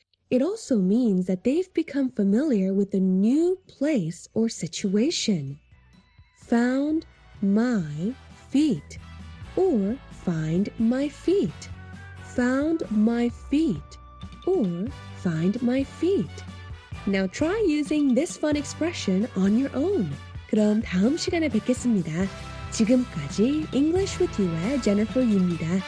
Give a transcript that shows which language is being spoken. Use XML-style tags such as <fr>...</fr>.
<en>It also means that they've become familiar with a new place or situation. Found my feet or find my feet. Found my feet or find my feet. Now try using this fun expression on your own.</en> <ko>그럼 다음 시간에 뵙겠습니다. 지금까지 English with You의 Jennifer Yu입니다.</ko>